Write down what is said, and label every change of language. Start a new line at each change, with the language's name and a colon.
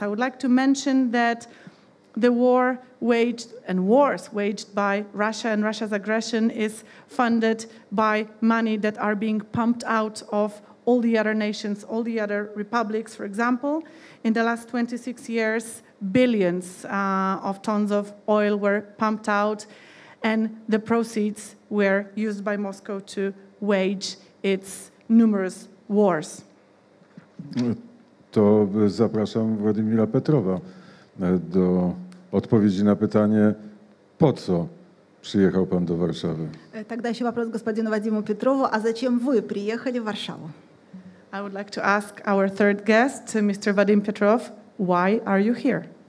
English: I would like to mention that the war waged and wars waged by Russia and Russia's aggression is funded by money that are being pumped out of all the other nations, all the other republics, for example. In the last 26 years, billions of tons of oil were pumped out and the proceeds were used by Moscow to wage its numerous wars.
Polish: To zapraszam Władimira Petrowa do odpowiedzi na pytanie, po co przyjechał pan do Warszawy?
Russian: Тогда еще вопрос господину Вадиму Петрову, а зачем вы приехали в Варшаву?
English: I would like to ask our third guest, Mr. Vadim Petrov, why are you here?